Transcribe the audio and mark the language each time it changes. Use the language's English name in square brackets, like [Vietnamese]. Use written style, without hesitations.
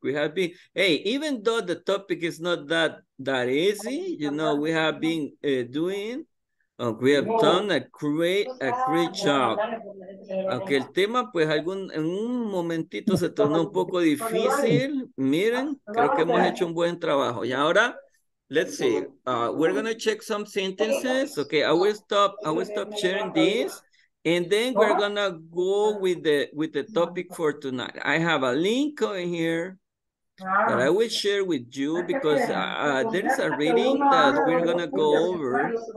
[English] We have been, hey, even though the topic is not that easy, you know, we have been done a great job. [Spanish] Aunque el tema, pues, en un momentito se tornó un poco difícil. Miren, creo que hemos hecho un buen trabajo. Y ahora, [English] let's see, we're going to check some sentences. Okay, I will stop sharing this. And then we're gonna go with the topic for tonight. I have a link over here that I will share with you because there is a reading that we're gonna go over.